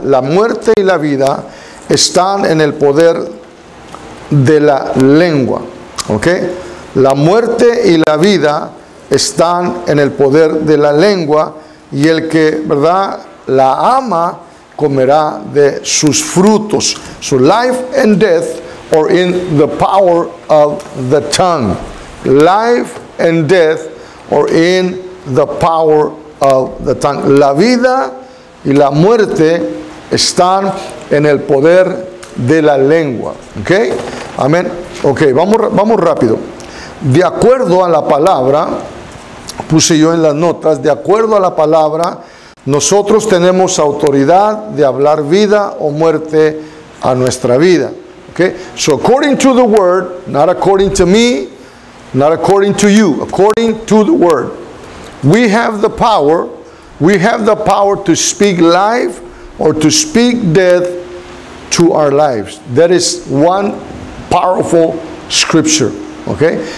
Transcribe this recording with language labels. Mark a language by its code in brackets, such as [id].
[es] La muerte y la vida están en el poder de la lengua. Okay. La muerte y la vida están en el poder de la lengua. Y el que, ¿verdad?, la ama, comerá de sus frutos. [en] So life and death are in the power of the tongue. Life and death are in the power of the tongue. [es] La vida y la muerte están en el poder de la lengua. ¿Ok? Amén. Ok, vamos rápido. De acuerdo a la palabra... Puse yo en las notas, de acuerdo a la palabra, nosotros tenemos autoridad de hablar vida o muerte a nuestra vida. [en] Okay? So according to the word, not according to me, not according to you, according to the word, we have the power to speak life or to speak death to our lives. That is one powerful scripture. Okay.